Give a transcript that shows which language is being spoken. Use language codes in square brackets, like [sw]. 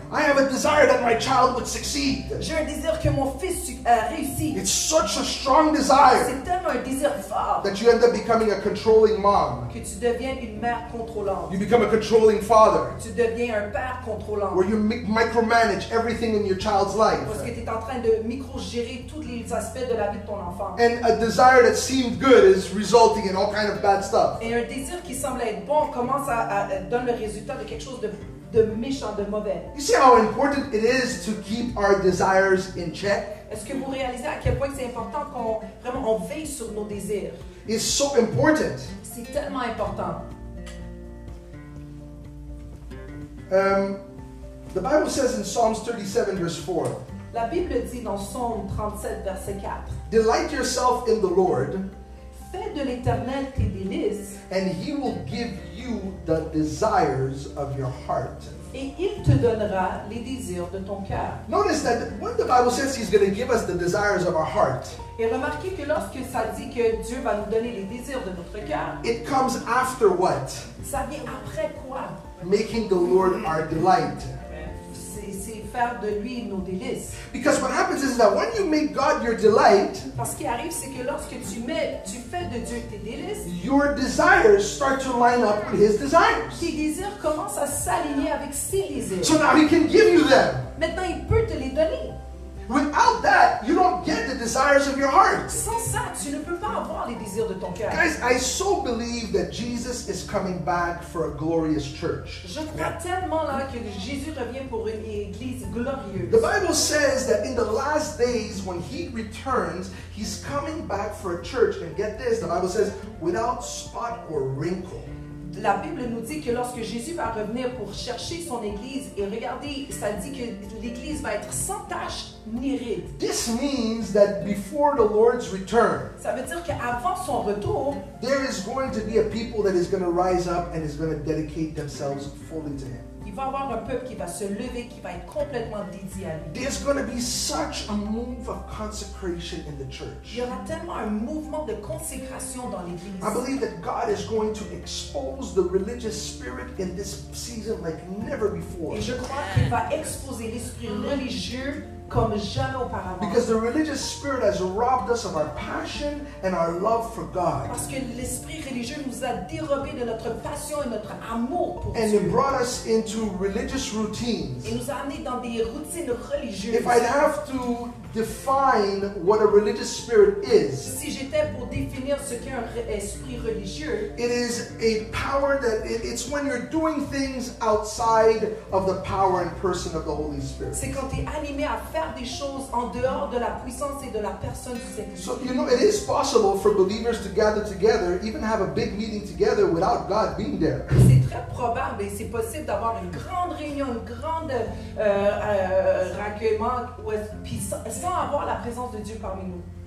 [en] I have a desire that my child would succeed. [fr] J'ai un désir que mon fils réussisse. [en] It's such a strong desire. [fr] C'est tellement un désir fort. [en] That you end up becoming a controlling mom. [fr] Que tu deviens une mère contrôlante. [en] You become a controlling father. [fr] Tu deviens un père contrôlant. [en] Where you micromanage. micromanage everything in your child's life. [fr] Parce que tu es en train de micro-gérer tous les aspects de la vie de ton enfant. [en] And a desire that seemed good is resulting in all kind of bad stuff. [fr] Et un désir qui semble être bon commence à donner le résultat de quelque chose de méchant, de mauvais. [en] You see how important it is to keep our desires in check? [fr] Est-ce que vous réalisez à quel point c'est important qu'on vraiment on veille sur nos désirs? [en] It's so important. [fr] C'est tellement important. [en] The Bible says in Psalms 37, verse 4. [fr] La Bible dit dans Psaume 37, verset 4. [en] Delight yourself in the Lord. [fr] Fais de l'Éternel tes délices. [en] And He will give you the desires of your heart. [fr] Et il te donnera les désirs de ton cœur. [en] Notice that when the Bible says He's going to give us the desires of our heart. [fr] Et remarquez que lorsque ça dit que Dieu va nous donner les désirs de notre cœur. [en] It comes after what? [fr] Ça vient après quoi? [en] Making the Lord our delight. [fr] C'est faire de lui nos délices. [en] Because what happens is that when you make God your delight, [fr] parce qu'il arrive, c'est que lorsque tu fais de Dieu tes délices, [en] your desires start to line up with His desires. [fr] Tes désirs commencent à s'aligner avec ses désirs. [en] So now He can give you them. [fr] Maintenant, il peut te les donner. [en] Without that, you don't get the desires of your heart. [fr] Sans ça, tu ne peux pas avoir les désirs de ton cœur. [en] Guys, I so believe that Jesus is coming back for a glorious church. [fr] Je crois tellement là que Jésus revient pour une église glorieuse. [en] The Bible says that in the last days, when He returns, He's coming back for a church. And get this, the Bible says, without spot or wrinkle. [fr] La Bible nous dit que lorsque Jésus va revenir pour chercher son église, et regardez, ça dit que l'église va être sans tache ni ride. [en] This means that before the Lord's return, [fr] ça veut dire qu'avant son retour, [en] there is going to be a people that is going to rise up and is going to dedicate themselves fully to Him. [fr] Il va y avoir un peuple qui va se lever, qui va être complètement dédié à lui. [en] There's going to be such a move of consecration in the church. [fr] Il y aura tellement un mouvement de consécration dans l'église. [en] I believe that God is going to expose the religious spirit in this season like never before. [fr] Et je crois qu'il va exposer l'esprit religieux comme jamais auparavant. [en] Because the religious spirit has robbed us of our passion and our love for God. [fr] Parce que l'esprit religieux nous a dérobé de notre passion et notre amour pour [en] and [fr] Dieu. [en] And brought us into religious routines. [fr] Et nous a amené dans des routines religieuses. [en] If I'd have to define what a religious spirit is, [fr] si j'étais pour définir ce qu'est un esprit religieux, [en] it is a power that it's when you're doing things outside of the power and person of the Holy Spirit. [fr] C'est quand t'es animé à faire des choses en dehors de la puissance et de la personne du Saint-Esprit. [en] So you know, it is possible for believers to gather together, even have a big meeting together, without God being there. [fr] C'est très probable et c'est possible d'avoir une grande réunion, une grande recueillement ou puissance. Sans avoir la présence de Dieu parmi nous.